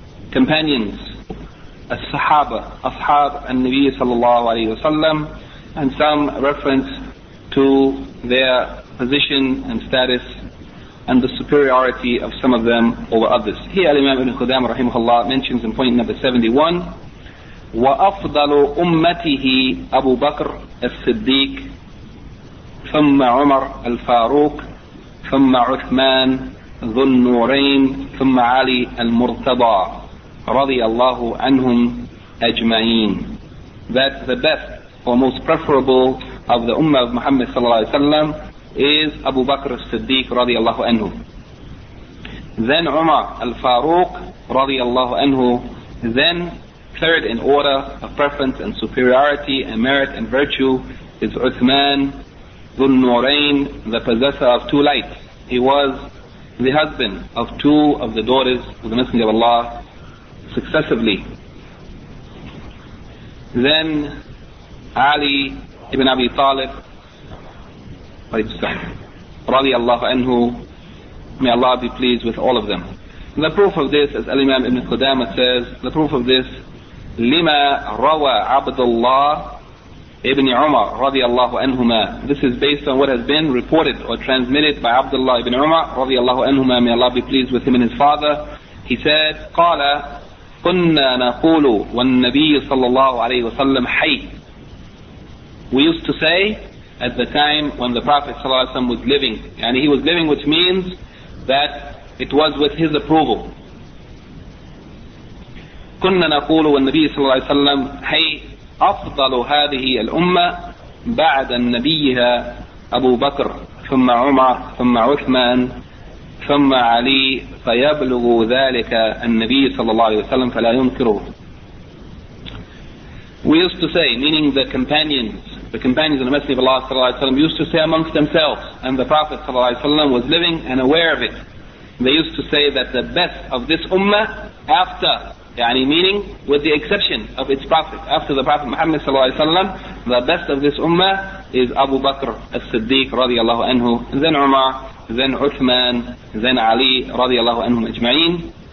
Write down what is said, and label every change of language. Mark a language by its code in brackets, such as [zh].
[en] companions, as-sahaba, ashab al-Nabi sallallahu alayhi wa sallam, and some reference to their position and status and the superiority of some of them over others. Here Al-Imam Ibn Qudamah rahimahullah mentions in point number 71 [ar] وأفضل أمته أبو بكر الصديق، ثم عمر الفاروق، ثم عثمان ذو النورين، ثم علي المرتضى رضي الله عنهم أجمعين. [en] That the best or most preferable of the Ummah of Muhammad صلى الله عليه وسلم is Abu Bakr al-Siddiq رضي الله عنه. Then Umar al-Faruq رضي الله عنه. Then third in order of preference and superiority and merit and virtue is Uthman ذو النورين, the possessor of two lights. He was the husband of two of the daughters of the Messenger of Allah successively. Then Ali ibn Abi Talib رضي الله عنه, may Allah be pleased with all of them. The proof of this, as Al-Imam Ibn Qudama says, the proof of this, [ar] لما روى عبد الله [en] ibn Umar رضي الله عنهما. This is based on what has been reported or transmitted by Abdullah ibn Umar رضي الله عنهما, may Allah be pleased with him and his father. He said, [ar] قال كنا نقول والنبي صلى الله عليه وسلم حي. [en] We used to say at the time when the Prophet صلى الله عليه وسلم was living, and he was living, which means that it was with his approval. [ar] كنا نقول والنبي صلى الله عليه وسلم حي أفضل هذه الأمة بعد النبيها أبو بكر ثم عمر ثم عثمان ثم علي فيبلغ ذلك النبي صلى الله عليه وسلم فلا ينكره. [en] We used to say, meaning the companions and the Messenger of Allah صلى الله عليه وسلم used to say amongst themselves, and the Prophet صلى الله عليه وسلم was living and aware of it. They used to say that the best of this ummah after, يعني meaning with the exception of its Prophet, after the Prophet Muhammad صلى الله عليه وسلم, the best of this ummah is Abu Bakr al-Siddiq رضي الله عنه, then Umar, then Uthman, then Ali رضي الله عنهم أجمعين.